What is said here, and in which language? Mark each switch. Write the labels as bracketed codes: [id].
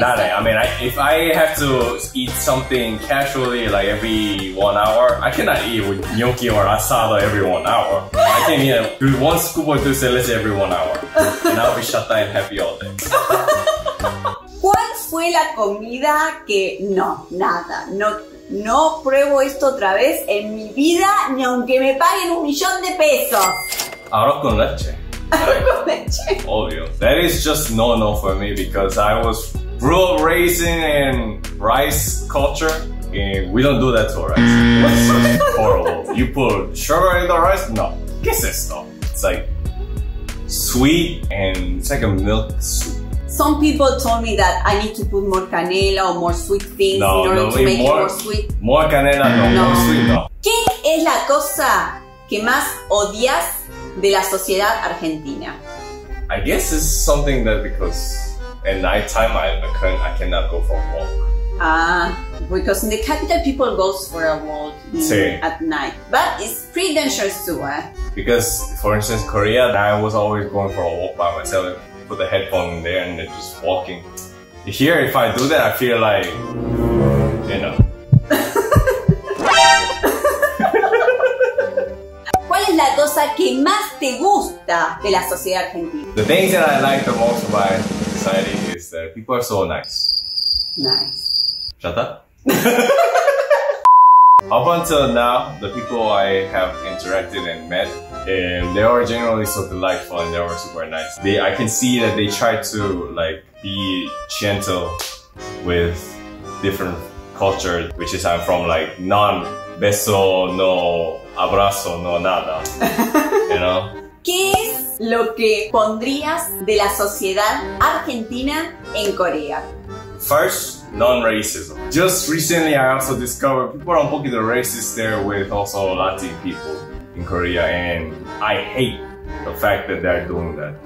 [en] Dale, I mean, if I have to eat something casually, like every 1 hour, I cannot eat with gnocchi or asado every 1 hour. I can eat one scoop of dulce de leche every 1 hour. And I'll be shut down and happy all day. [es] ¿Cuál fue la comida que... No, nada. No pruebo esto otra vez en mi vida, ni aunque me paguen $1,000,000. Arroz con leche. [en] Like, obvious. That is just no for me because I was raising in rice culture and we don't do that to rice. It's horrible. You put sugar in the rice? No. [es] ¿Qué es esto? [en] It's like sweet and it's like a milk soup. Some people told me that I need to put more canela or more sweet things in order to make it more sweet. More canela, no. More sweet, no. [es] ¿Qué es la cosa que más odias de la sociedad argentina? [en] I guess it's something that because at night time I cannot go for a walk. Because in the capital people go for a walk at night. But it's pretty dangerous too, eh? Because for instance Korea, I was always going for a walk by myself, put the headphone in there and just walking. Here if I do that I feel like, you know. [es] La cosa que más te gusta de la sociedad argentina. [en] The things that I like the most about society is that people are so nice. Nice. Shut up. Up until now, the people I have interacted and met, they are generally so delightful and they are super nice. I can see that they try to like be gentle with different culture, which is I'm from like non-beso, [es] no abrazo, no nada, [en] you know? [es] ¿Qué es lo que pondrías de la sociedad argentina en Corea? [en] First, non-racism. Just recently I also discovered people are [es] un poquito [en] racist there with also Latin people in Korea, and I hate the fact that they're doing that.